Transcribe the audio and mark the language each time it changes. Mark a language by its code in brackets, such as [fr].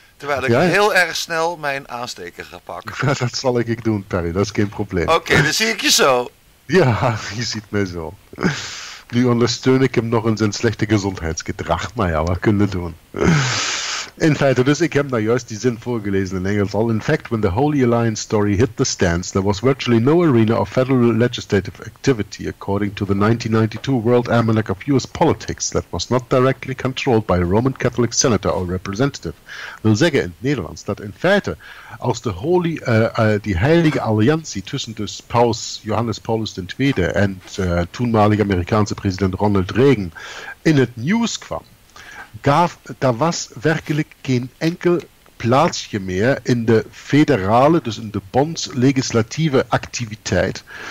[nl] Terwijl ik heel erg snel mijn aansteker ga pakken. Ja, dat zal ik doen, Perry. Dat is geen probleem. Oké, dan zie ik je zo. Ja, je ziet mij zo. Nu ondersteun ik hem nog in zijn slechte gezondheidsgedrag. Maar ja, wat kunnen we doen? In feite, dus ik heb nou juist die zin voorgelezen in Engels. [en] In fact, when the Holy Alliance story hit the stands, there was virtually no arena of federal legislative activity, according to the 1992 World Almanac of U.S. Politics, that was not directly controlled by a Roman Catholic senator or representative. [nl] Wil zeggen in het Nederlands dat in feite, als de holy, die heilige alliantie tussen dus Paus Johannes Paulus II en toenmalig Amerikaanse president Ronald Reagan in het nieuws kwam, da was werkelijk geen enkel plaatsje meer in de federale, dus in de bondslegislatieve activiteit.